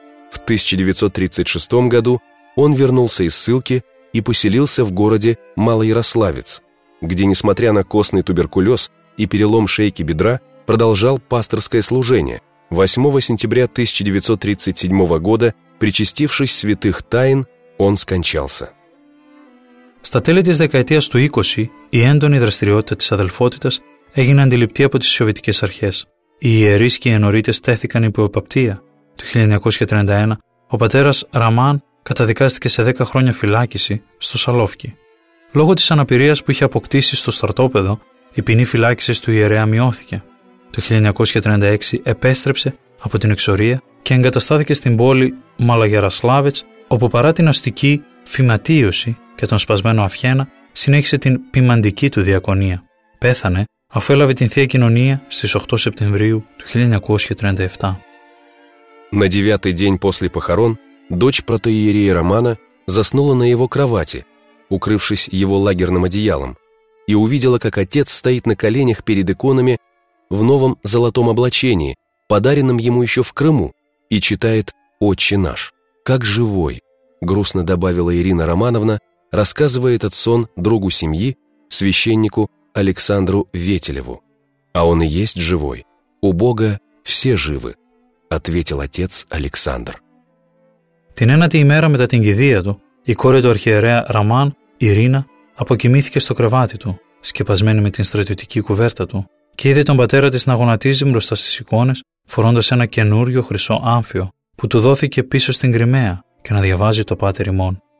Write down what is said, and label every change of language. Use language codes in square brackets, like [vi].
[ru] В 1936 году он вернулся из ссылки и поселился в городе Малоярославец, где, несмотря на костный туберкулез и перелом шейки бедра, продолжал пасторское служение, 8 сентября 1937 года, причастившись святых тайн, он скончался. [el] Στα τέλη της δεκαετίας του 20, η έντονη δραστηριότητα της αδελφότητας έγινε αντιληπτή από τις σοβιετικές αρχές. Οι ιερείς και οι ενωρίτες τέθηκαν υπό εποπτεία. Το 1931, ο πατέρας Ραμάν καταδικάστηκε σε 10 χρόνια φυλάκιση στο Σαλόφκι. Λόγω της αναπηρίας που είχε αποκτήσει στο στρατόπεδο, η ποινή φυλάκισης του ιερέα μειώθηκε. Το 1936 επέστρεψε από την εξορία και εγκαταστάθηκε στην πόλη Μαλαγιαρασλάβετς, όπου παρά την αστική φυματίωση και τον σπασμένο αυχένα, συνέχισε την ποιμαντική του διακονία. Πέθανε αφού έλαβε την Θεία Κοινωνία στις 8 Σεπτεμβρίου του 1937. [ru] На девятый день после похорон дочь протоиерея Романа заснула на его кровати, укрывшись его лагерным одеялом, и увидела, как отец стоит на коленях перед иконами в новом золотом облачении, подаренном ему еще в Крыму, и читает «Отче наш». «Как живой!» – грустно добавила Ирина Романовна, рассказывая этот сон другу семьи, священнику Александру Ветелеву. «А он и есть живой. У Бога все живы», – ответил отец Александр. [el] Την ένατη ημέρα μετά την κηδεία του, η κόρη του αρχιερέα Ραμάν, Ιρίνα, αποκοιμήθηκε στο κρεβάτι του, σκεπασμένη με την στρατιωτική κουβέρτα του, και είδε τον πατέρα της να γονατίζει μπροστά στις εικόνες, φορώντας ένα καινούριο χρυσό άμφιο που του δόθηκε πίσω στην Κριμαία και να διαβάζει το Πάτερ ημών.